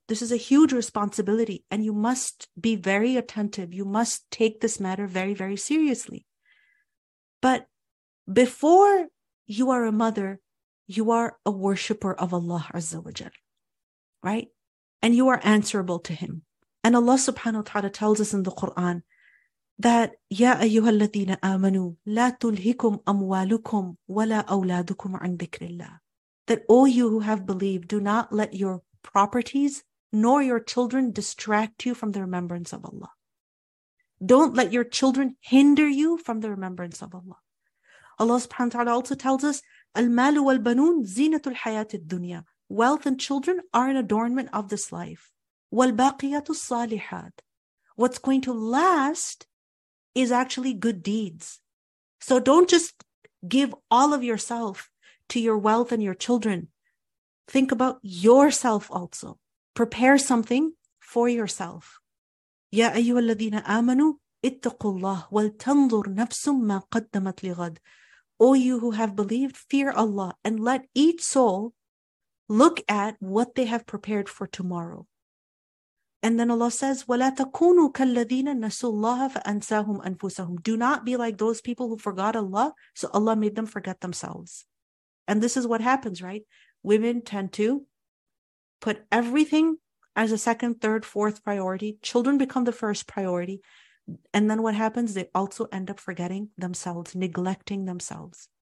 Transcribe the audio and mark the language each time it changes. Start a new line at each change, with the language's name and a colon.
English: This is a huge responsibility and you must be very attentive. You must take this matter very, very seriously. But before you are a mother, you are a worshiper of Allah Azza wa Jal, right? And you are answerable to Him. And Allah subhanahu wa ta'ala tells us in the Quran
Arabic: that, يا أيها الذين آمنوا لا تلهكم أموالكم ولا أولادكم عن ذكر الله.
English: That all you who have believed, do not let your properties nor your children distract you from the remembrance of Allah. Don't let your children hinder you from the remembrance of Allah. Allah subhanahu wa ta'ala also tells us,
Arabic: المال والبنون زينة الحياة الدنيا.
English: Wealth and children are an adornment of this life.
Arabic: والباقيات الصالحات.
English: What's going to last is actually good deeds. So don't just give all of yourself to your wealth and your children. Think about yourself also. Prepare something for yourself.
Arabic: يا أيها الذين آمنوا اتقوا الله ولتنظر نفس ما قدمت لغد.
English: O you who have believed, fear Allah and let each soul look at what they have prepared for tomorrow. And then Allah says,
Arabic: وَلَا تَكُونُوا كَالَّذِينَ نَسُوا اللَّهَ فَأَنْسَاهُمْ أَنفُسَهُمْ.
English: Do not be like those people who forgot Allah, so Allah made them forget themselves. And this is what happens, right? Women tend to put everything as a second, third, fourth priority. Children become the first priority. And then what happens? They also end up forgetting themselves, neglecting themselves.